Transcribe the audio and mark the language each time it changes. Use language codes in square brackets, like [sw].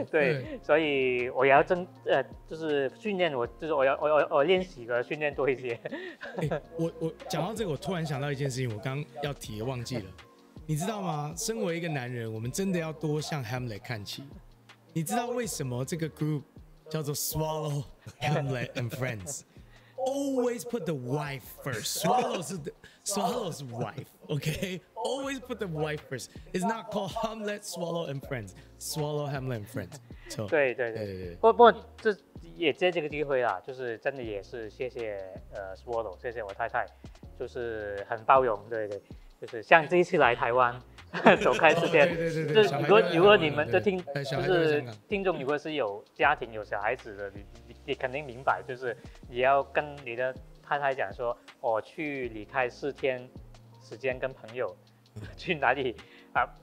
[zh] 对，所以我要真就是训练我，就是我练习个训练多一些。我讲到这个，我突然想到一件事情，我刚要提忘记了，你知道吗？身为一个男人，我们真的要多向 Hamlet 看齐。你知道为什么这个 group 叫做 Swallow Hamlet and Friends？ [en] Always put the wife first. Swallow's wife. Okay. Always put the wife first. It's not called Hamlet, Swallow and Friends. Swallow Hamlet and Friends. So, [zh] 对对对。不过这也借这个机会啦，就是真的也是谢谢Swallow， 谢谢我太太，就是很包容。对对，就是像这一次来台湾，走开时间。对对对。如果你们的听，就是听众，如果是有家庭有小孩子的，你肯定明白，就是你要跟你的太太讲说，我去离开四天时间跟朋友去哪里啊？